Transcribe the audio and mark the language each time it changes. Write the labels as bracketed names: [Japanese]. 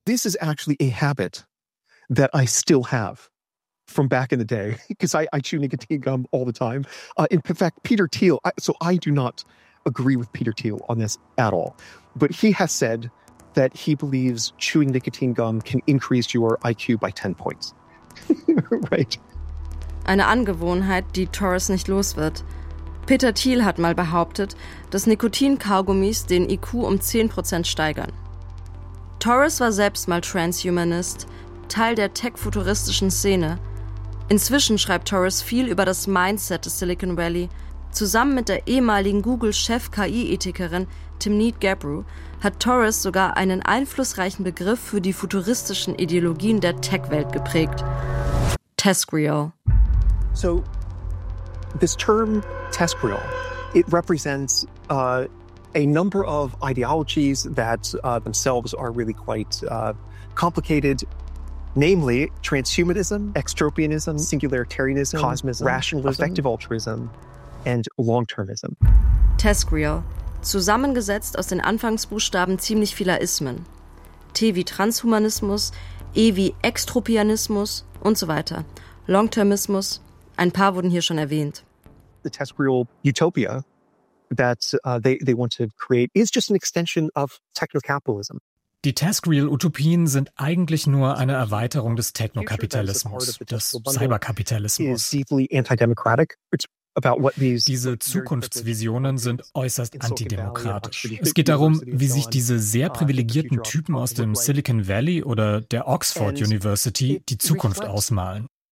[English] This is actually a habit that I still have from back in the day, because I chew nicotine gum all the time. In fact, Peter Thiel, I do not agree with Peter Thiel on this at all, but he has said that he believes chewing nicotine gum can increase your IQ by 10 points. Right. [German] Eine Angewohnheit, die Torres nicht los wird. Peter Thiel hat mal behauptet, dass Nikotinkaugummis den IQ um 10% steigern. Torres war selbst mal Transhumanist, Teil der tech-futuristischen Szene. Inzwischen schreibt Torres viel über das Mindset des Silicon Valley. Zusammen mit der ehemaligen Google-Chef-KI-Ethikerin Timnit Gebru hat Torres sogar einen einflussreichen Begriff für die futuristischen Ideologien der Tech-Welt geprägt. Tescreal. [English] So, this term Tescreal, it represents a number of ideologies that themselves are really quite complicated. Namely, transhumanism, extropianism, singularitarianism, cosmism, rationalism, effective altruism and long-termism. [German] Tescreal. Zusammengesetzt aus den Anfangsbuchstaben ziemlich vieler Ismen. T wie Transhumanismus, E wie Extropianismus und so weiter. Longtermismus, ein paar wurden hier schon erwähnt. [English] The Tescreal Utopia that they want to create is just an extension of technocapitalism. [German] Die Tescreal-Utopien sind eigentlich nur eine Erweiterung des Technokapitalismus, des Cyberkapitalismus. Diese Zukunftsvisionen sind äußerst antidemokratisch. Es geht darum, wie sich diese sehr privilegierten Typen aus dem Silicon Valley oder der Oxford University die Zukunft ausmalen.